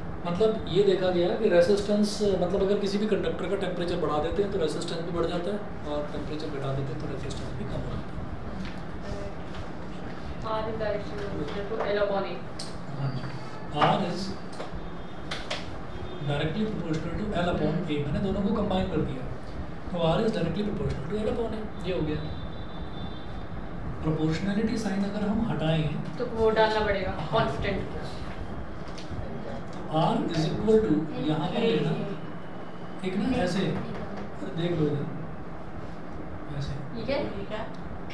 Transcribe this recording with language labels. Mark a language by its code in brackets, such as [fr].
[hi] मतलब ये देखा गया कि रेसिस्टेंस, मतलब अगर किसी भी कंडक्टर का टेम्परेचर बढ़ा देते हैं तो रेसिस्टेंस भी बढ़ जाता है, और टेम्परेचर घटा देते हैं तो रेसिस्टेंस भी कम हो जाता है. [en] R is directly proportional to L upon A. [hi] मैंने दोनों को कंबाइन कर दिया तो [en] R is directly proportional to L upon A. [hi] ये हो गया. प्रोपोर्शनलिटी साइन अगर हम हटाएं तो वो डालना पड़ेगा constant. [en] R is equal to, [hi] यहाँ पर लेना एक ना ऐसे देख लो ऐसे, ठीक है